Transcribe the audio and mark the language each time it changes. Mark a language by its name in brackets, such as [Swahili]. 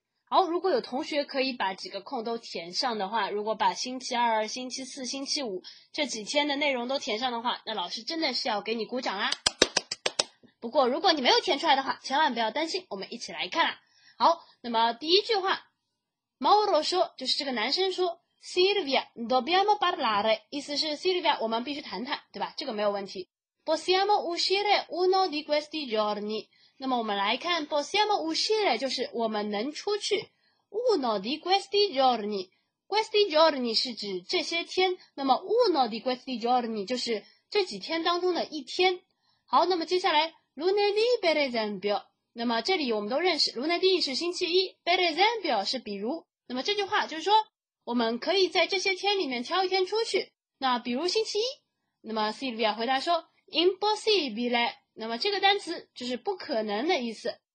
[Chinese] Oh, 如果有同学可以把几个空都填上的话，如果把星期二、星期四、星期五这几天的内容都填上的话，那老师真的是要给你鼓掌啦。不过如果你没有填出来的话千万不要担心，我们一起来看啦。好，那么第一句话 Mauro 说，就是这个男生说 [Italian] Silvia dobbiamo parlare， [Chinese] 意思是 Silvia 我们必须谈谈，对吧？这个没有问题。 [Italian] Possiamo uscire uno di questi giorni， [Chinese] 那么我们来看 [Italian] Possiamo uscire [Chinese] 就是我们能出去， [Italian] uno di questi giorni， [Chinese] questi giorni 是指这些天，那么 uno di questi giorni 就是这几天当中的一天。好，那么接下来 [Italian] lunedì per esempio， [Chinese] 那么这里我们都认识 lunedì 是星期一， [Italian] per esempio [Chinese] 是比如，那么这句话就是说我们可以在这些天里面挑一天出去，那比如星期一。那么 Silvia 回答说 impossibile， 那么这个单词就是不可能的意思。